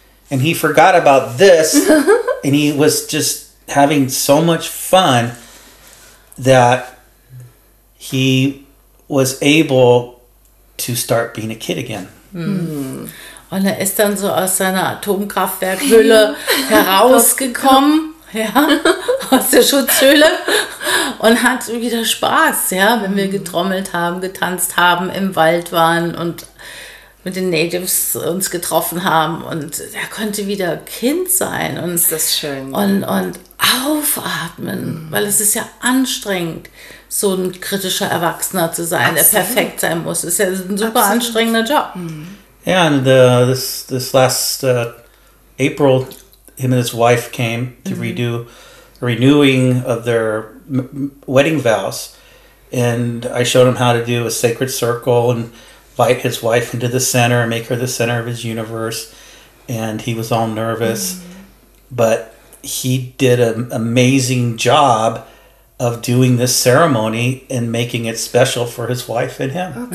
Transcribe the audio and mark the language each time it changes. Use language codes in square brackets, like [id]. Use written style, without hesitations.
[en] And he forgot about this. And he was just having so much fun that he was able to start being a kid again. [de] Und er ist dann so aus seiner Atomkraftwerkhülle herausgekommen, ja, aus der Schutzhülle und hat wieder Spaß, ja, wenn wir getrommelt haben, getanzt haben, im Wald waren und mit den Natives uns getroffen haben, und er konnte wieder Kind sein und ist das schön, und aufatmen, weil es ist ja anstrengend, so ein kritischer Erwachsener zu sein, der perfekt sein muss. Es ist ja ein super anstrengender Job. [en] Yeah, and this last April, him and his wife came to redo renewing of their wedding vows, and I showed him how to do a sacred circle and invite his wife into the center and make her the center of his universe, and he was all nervous, but he did an amazing job of doing this ceremony and making it special for his wife and him.